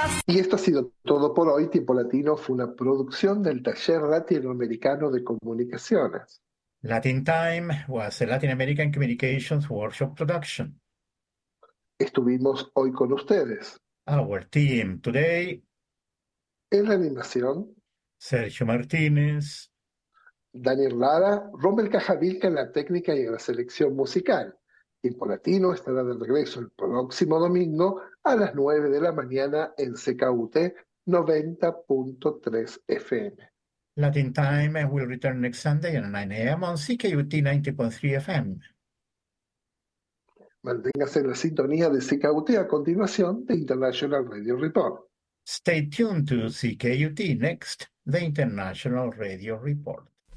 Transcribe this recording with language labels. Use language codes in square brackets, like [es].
[es] Y esto ha sido todo por hoy. Tiempo Latino fue una producción del Taller Latinoamericano de Comunicaciones. [en] Latin Time was a Latin American Communications Workshop production. [es] Estuvimos hoy con ustedes. [en] Our team today. [es] En la animación. Sergio Martínez. Daniel Lara. Rommel Cajavilca en la técnica y en la selección musical. Tiempo Latino estará de regreso el próximo domingo a las 9 de la mañana en CKUT 90.3 FM. [en] Latin Time will return next Sunday at 9 a.m. on CKUT 90.3 FM. [es] Manténgase en la sintonía de CKUT a continuación de International Radio Report. [en] Stay tuned to CKUT next, the International Radio Report.